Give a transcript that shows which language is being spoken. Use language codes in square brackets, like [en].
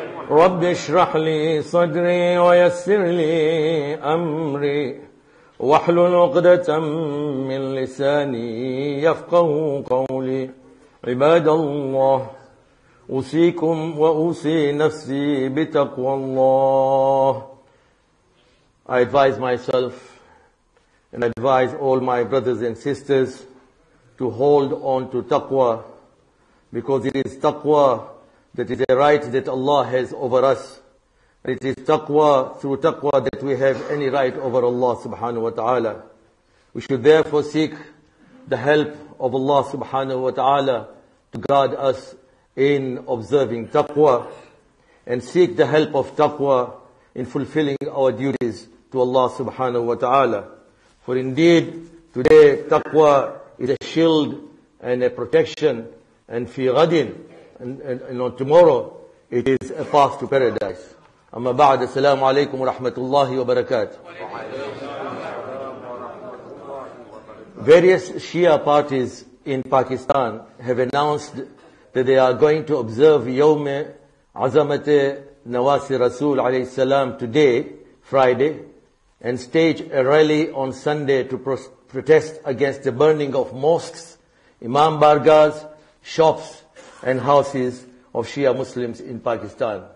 [ar] رب اشرح لي صدري ويسر لي أمري واحلل عقدة من لساني يفقه قولي عباد الله أوصيكم وأوصي نفسي بتقوى الله [en] I advise myself and advise all my brothers and sisters to hold on to taqwa because it is taqwa that is a right that Allah has over us. It is taqwa through taqwa that we have any right over Allah subhanahu wa ta'ala. We should therefore seek the help of Allah subhanahu wa ta'ala to guard us in observing taqwa and seek the help of taqwa in fulfilling our duties to Allah subhanahu wa ta'ala. For indeed, today taqwa is a shield and a protection and [ar] fi ghadin, [en] and on tomorrow it is a path to paradise. [ar] أما بعد السلام عليكم ورحمة الله وبركاته. [en] Various Shia parties in Pakistan have announced that they are going to observe يوم عزمة نواسي رسول عليه السلام today, Friday, and stage a rally on Sunday to protest against the burning of mosques, imam bargahs, shops, and houses of Shia Muslims in Pakistan.